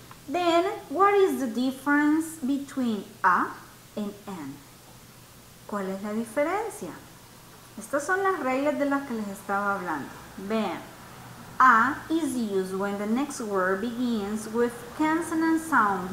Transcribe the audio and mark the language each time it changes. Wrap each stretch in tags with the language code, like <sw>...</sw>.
<en>Then, what is the difference between a and an?</en> <es>¿Cuál es la diferencia? Estas son las reglas de las que les estaba hablando. Vean.</es> <en>A is used when the next word begins with consonant sound.</en>